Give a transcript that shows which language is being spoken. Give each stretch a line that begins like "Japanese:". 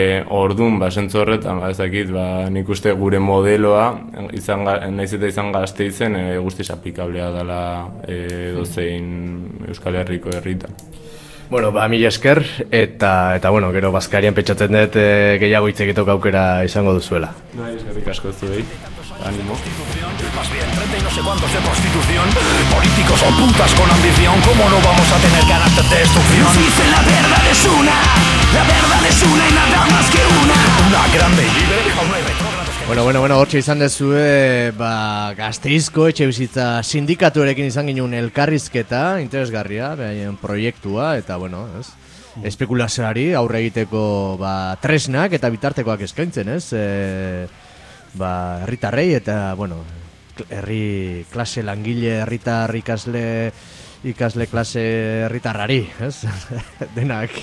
Basque: Orduan, basentzu horretan, ba, ezakit, ba, nik uste gure modeloa, nahiz eta izan Gasteizen, guztiz aplikablea dela dozein Euskal Herriko herritan. Bueno, ba, mila esker, eta bueno, gero bazkarian pentsatzen dut gehiago hitz egiteko aukera izango duzuela. Bai, eskerrik asko zuei. Ánimo.
Spanish: Más bien, 30 y no sé cuántos de prostitución. Políticos o putas con ambición. ¿Cómo no vamos a tener carácter de destrucción? Nos dicen la verdad es una. La verdad es una y nada más que una. Una grande y libre, aún hay retorno.
Basque: Bueno, hortxe izan dezue, ba, Gasteizko etxe bizitza sindikatuarekin izan ginen elkarrizketa, interesgarria, behaien proiektua, eta, bueno, ez, espekulazioari aurre egiteko, ba, tresnak eta bitartekoak eskaintzen, ez, ba, herritarrei eta, bueno, herri klase langile, herritar ikasle klase herritarrari, ez, denak